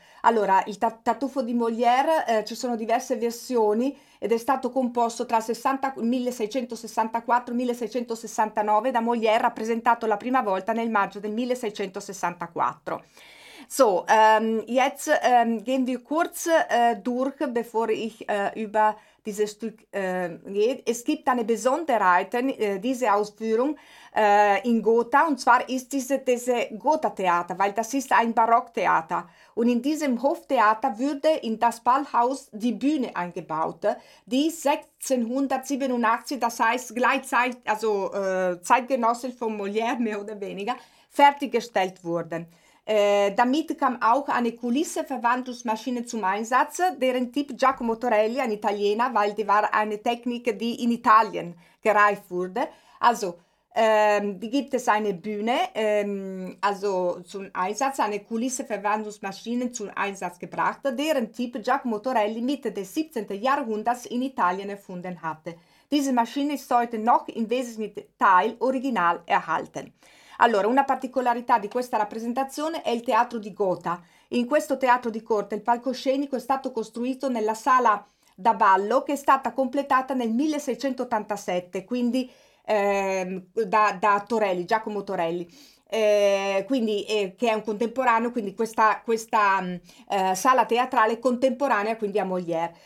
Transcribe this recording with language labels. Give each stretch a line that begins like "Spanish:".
Italian: Allora, il Tartufo di Molière, ci sono diverse versioni ed è stato composto tra 1664 e 1669 da Molière, rappresentato la prima volta nel maggio del 1664.
German: So, jetzt gehen wir kurz durch, bevor ich über dieses Stück gehe. Es gibt eine Besonderheit, diese Ausführung in Gotha, und zwar ist diese Gotha-Theater, weil das ist ein Barocktheater. Und in diesem Hoftheater wurde in das Ballhaus die Bühne eingebaut, die 1687, das heißt gleichzeitig, also zeitgenössisch von Molière mehr oder weniger, fertiggestellt wurde. Damit kam auch eine Kulisse-Verwandlungsmaschine zum Einsatz, deren Typ Giacomo Torelli, ein Italiener, weil die war eine Technik, die in Italien gereift wurde. Also, gibt es eine Bühne, also zum Einsatz, eine Kulisse-Verwandlungsmaschine zum Einsatz gebracht, deren Typ Giacomo Torelli Mitte des 17. Jahrhunderts in Italien erfunden hatte. Diese Maschine ist heute noch im wesentlichen Teil original erhalten.
Italian: Allora, una particolarità di questa rappresentazione è il teatro di Gotha. In questo teatro di corte il palcoscenico è stato costruito nella sala da ballo che è stata completata nel 1687, quindi da Torelli, Giacomo Torelli, che è un contemporaneo, quindi questa sala teatrale contemporanea quindi a Molière.